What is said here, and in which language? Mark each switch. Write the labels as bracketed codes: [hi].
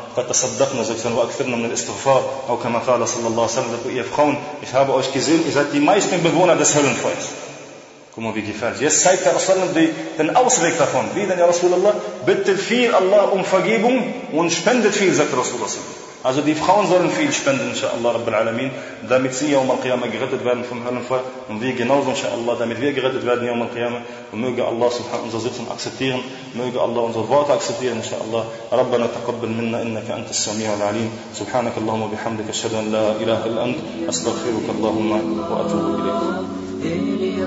[ar] فتصدقنا زكثنا وأكثرنا من الاستغفار أو كما قال صلى الله عليه وسلم يا فخون [de] ich habe euch gesehen, ihr seid die meisten Bewohner des Höllenfeuers. Guck mal, wie gefährlich. Jetzt zeigt der Rasul den Ausweg davon. Wie denn, ja Rasulullah? Bittet viel Allah um Vergebung und spendet viel, sagt Rasulullah. Also die Frauen sollen viel spenden, inshallah, Rabbil Alamin, damit sie Yawm al-Qiyamah gerettet werden vom Höllenfeuer, und wir genauso, inshallah, damit wir gerettet werden Yawm al-Qiyamah. Und möge Allah subhanahu unsere Sitzung akzeptieren, möge Allah unsere Worte akzeptieren, inshallah. [ar] ربنا تقبل منا انك انت السميع العليم سبحانك اللهم وبحمدك اشهد ان لا اله الا انت استغفرك اللهم واتوب اليك